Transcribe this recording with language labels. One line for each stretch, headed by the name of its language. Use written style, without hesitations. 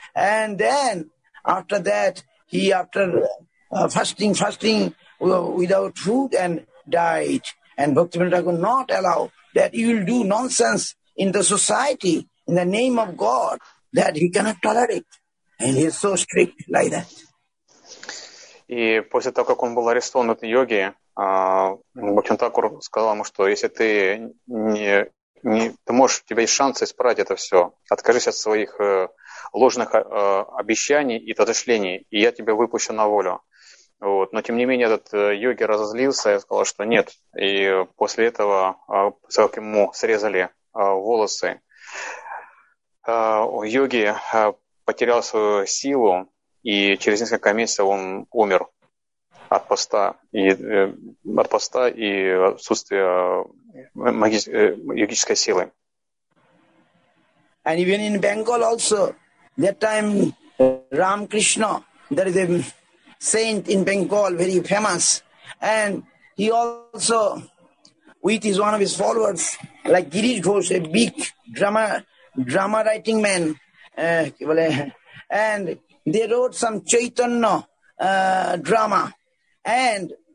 English: And then after that, he after fasting without food and died. And Bhaktivinoda could not allow that you will do nonsense in the society in the name of God, that he cannot tolerate. And he is so strict like that.
Russian: И после того, как он был арестован от йоги, Бхактивинода Тхакур сказал ему, что если ты не ты можешь, у тебя есть шанс исправить это все. Откажись от своих ложных обещаний и отошлений, и я тебя выпущу на волю. Вот. Но тем не менее этот йоги разозлился и сказал, что нет. И после этого, как ему срезали волосы, йоги потерял свою силу, и через несколько месяцев он умер от поста и, отсутствия йогической силы.
English: And even in Bengal also, that time Ramakrishna, there is a saint in Bengal, very famous, and he also with his one of his followers, like Girish Ghosh, a big drama writing man, and they wrote some Chaitanya drama, and